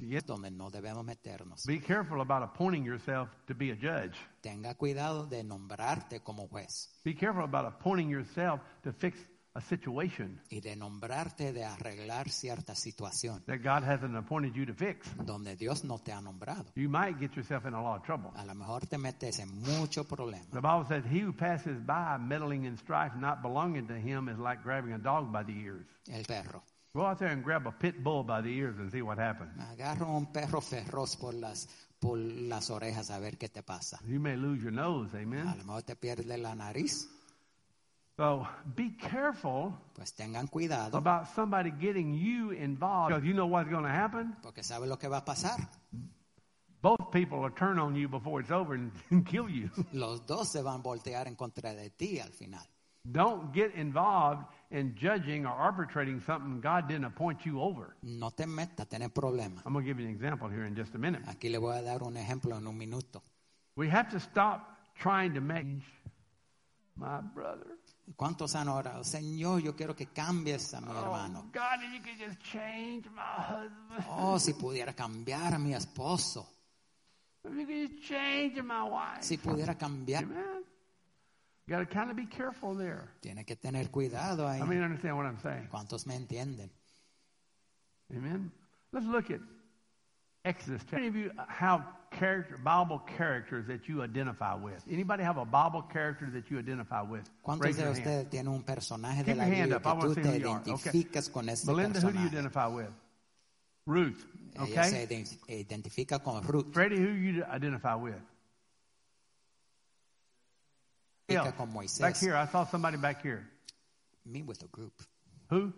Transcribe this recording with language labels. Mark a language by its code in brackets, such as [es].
[es] Donde no debemos meternos. [en] Be careful about appointing yourself to be a judge. [es] Tenga cuidado de nombrarte como juez. [en] Be careful about appointing yourself to fix a situation. [es] Y de nombrarte de arreglar cierta situación. [en] That God hasn't appointed you to fix. [es] Donde Dios no te ha nombrado. [en] You might get yourself in a lot of trouble. [es] A lo mejor te metes en mucho problema. [en] The Bible says, he who passes by meddling in strife not belonging to him is like grabbing a dog by the ears. [es] El perro. [en] Go out there and grab a pit bull by the ears and see what happens. [es] Agarro un perro feroz por las por las orejas a ver qué te pasa. [en] You may lose your nose, amen. [es] A lo mejor te pierdes la nariz. [en] So be careful, [es] pues tengan cuidado, [en] about somebody getting you involved, because you know what's going to happen. [es] Porque sabe lo que va a pasar. [en] Both people will turn on you before it's over and kill you. [es] Los dos se van a voltear en contra de ti al final. [en] Don't get involved in judging or arbitrating something God didn't appoint you over. [es] No te metas, tenés problema. [en] I'm going to give you an example here in just a minute. [es] Aquí le voy a dar un ejemplo en un minuto. [en] We have to stop trying to make my brother. [es] ¿Cuántos han orado? Señor, yo quiero que cambies a mi hermano. [en] Oh, God, if you could just change my husband. [es] Oh, si pudiera cambiar a mi esposo. [en] If you could just change my wife. [es] Si pudiera cambiar. [en] Amen. You got to kind of be careful there. [es] Tiene que tener cuidado ahí. [en] I mean, understand what I'm saying. [es] ¿Cuántos me entienden? [en] Amen. Let's look at Exodus. How many of you have character, Bible characters that you identify with? Anybody have a Bible character that you identify with? [es] ¿Cuántos de ustedes tienen un personaje de la Biblia que tú te identificas con ese personaje? [en] Melinda, who do you identify with? Ruth. Okay. [es] Ella se identifica con Ruth. [en] Freddie, who you identify with? [es] Moisés. [en] Back here, I saw somebody back here. Me with a group. Who?